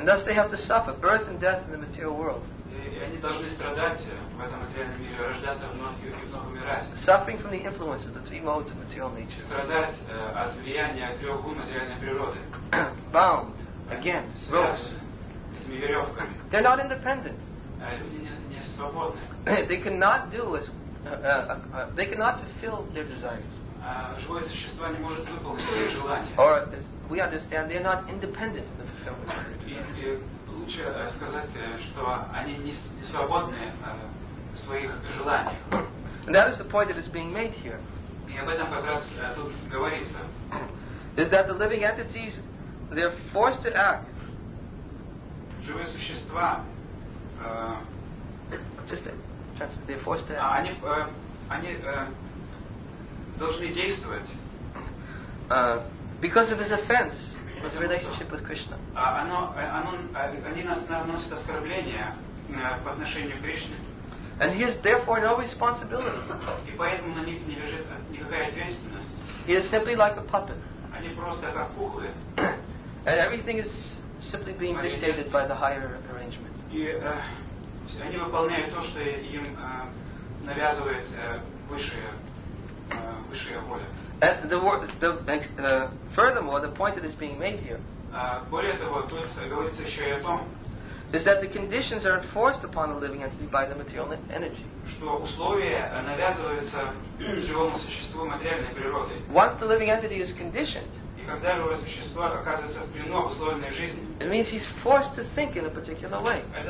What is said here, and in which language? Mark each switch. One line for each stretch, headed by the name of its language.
English: And thus they have to suffer birth and death in the material world.
Russian: И они должны страдать в этом материальном мире, рождаться вновь и вновь умирать.
English: Suffering from the influence of the three modes of material nature.
Russian: Страдать от влияния трех гун материальной природы.
English: Bound again, ropes.
Russian: Этими веревками.
English: They're not independent.
Russian: Люди не свободны.
English: They cannot do as they cannot fulfill their desires.
Russian: Живое существо не может выполнить свои желания.
English: Or as we understand, they are not independent of the fulfillment of their desires.
Russian: Лучше сказать, что они не свободны в своих желаниях.
English: And that is the point that is being made here.
Russian: И об этом как раз тут говорится.
English: Is that the living entities, they are forced to act.
Russian: Живые существа
English: they're forced to act.
Russian: Они должны действовать.
English: Because of his offense, his relationship with Krishna.
Russian: Они нас наносят оскорбление по отношению к Кришне.
English: And he has therefore no responsibility.
Russian: И поэтому на них не лежит никакая ответственность.
English: He is simply like a puppet.
Russian: Они просто как куклы.
English: And everything is simply being dictated by the higher arrangement.
Russian: И они выполняют то, что им навязывает высшая воля.
English: And furthermore, the point that is being made here is that the conditions are enforced upon the living entity by the material energy. Once the living entity is conditioned, it means he's forced to think in a particular way.